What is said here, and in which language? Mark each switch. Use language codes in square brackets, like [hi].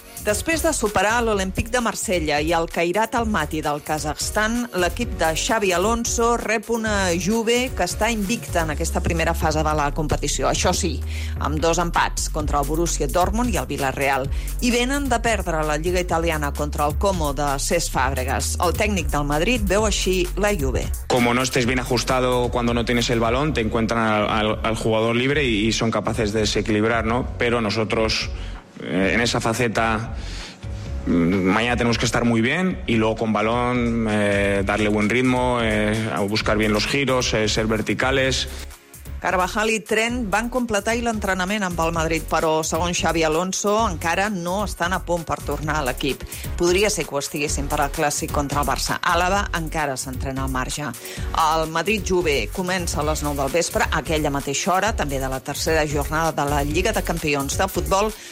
[ca] Després de superar l'Olympic de Marsella i el Cairat Almaty del Kazakhstan, l'equip de Xavi Alonso rep una Juve que està invicta en aquesta primera fase de la competició. Això sí, amb dos empats contra el Borussia Dortmund i el Villarreal. I venen de perdre la Lliga Italiana contra el Como de Cesc Fàbregas. El tècnic del Madrid veu així la Juve. [es] Como no estés bien ajustado cuando no tienes el balón, te encuentran al jugador libre y son capaces de desequilibrar, ¿no? Pero nosotros... En esa faceta, mañana tenemos que estar muy bien y luego con balón darle buen ritmo, buscar bien los giros, ser verticales. [ca] Carvajal i Trent van completar l'entrenament amb el Madrid, però, segons Xavi Alonso, encara no estan a punt per tornar a l'equip. Podria ser que ho estiguessin per al clàssic contra el Barça. Àlava encara s'entrena al marge. El Madrid-Juve comença a les 9 del vespre, aquella mateixa hora, també de la tercera jornada de la Lliga de Campions de Futbol.